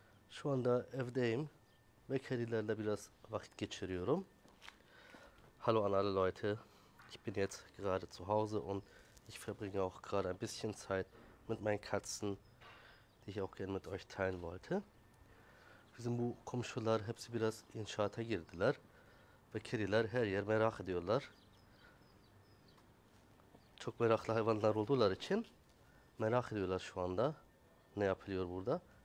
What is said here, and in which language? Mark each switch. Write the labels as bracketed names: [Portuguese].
[Turkish] Şu anda evdeyim ve kedilerle biraz vakit geçiriyorum. [German] Hallo an alle Leute. Ich bin jetzt gerade zu Hause und ich verbringe auch gerade ein bisschen Zeit mit meinen Katzen, die ich auch gerne mit euch teilen wollte. [Turkish] Bizim bu komşular hepsi biraz inşaata girdiler ve kediler her yer merak ediyorlar. Çok meraklı hayvanlar olduğular için merak ediyorlar şu anda. Ne yapılıyor burada?